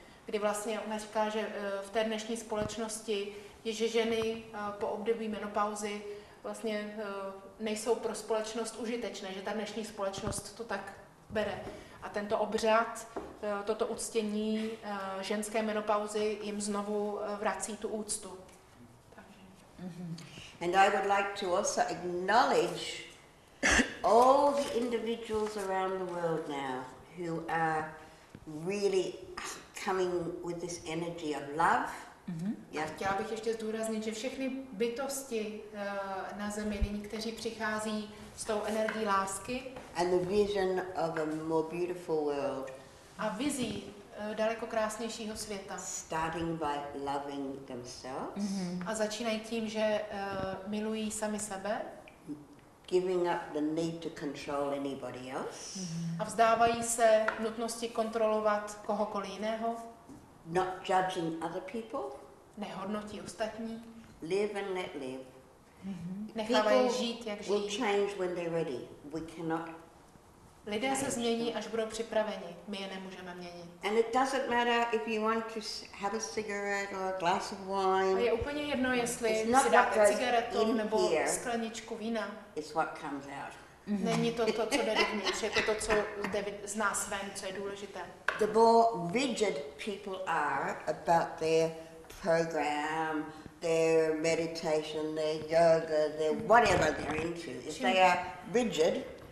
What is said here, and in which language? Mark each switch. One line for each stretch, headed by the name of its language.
Czech: Kdy vlastně ona říká, že v té dnešní společnosti je, že ženy po období menopauzy vlastně nejsou pro společnost užitečné, že ta dnešní společnost to tak bere. A tento obřad, toto uctění ženské menopauzy jim znovu vrací tu úctu.
English: And I would like to also acknowledge all the individuals around the world now who are really coming with this energy of love.
Czech: A chtěla bych ještě zdůraznit, že všechny bytosti na Zemi, kteří přichází s tou energií lásky.
English: And the vision of a more beautiful world.
Czech: A vizí daleko krásnějšího světa.
English: Starting by loving themselves. Mm-hmm.
Czech: A začínají tím, že milují sami sebe.
English: Giving up the need to control anybody else. Mm-hmm.
Czech: A vzdávají se nutnosti kontrolovat kohokoliv jiného.
English: Not judging other people.
Czech: Nehodnotí ostatní.
English: Live and let live.
Czech: Mm-hmm. Nechávají žít, jak žijí.
English: Will change when they're ready. We cannot.
Czech: Lidé se změní, až budou připraveni. My je nemůžeme měnit.
English: And it doesn't matter if you want to have a cigarette or a glass of wine.
Czech: A je úplně jedno, jestli si dáte cigaretu nebo skleničku vína.
English: It's what comes out.
Czech: Není to to, co jde dovnitř, je to to, co jde z nás ven, co je důležité.
English: The more rigid people are about their program, their meditation, their yoga, their whatever they're into, if they are rigid.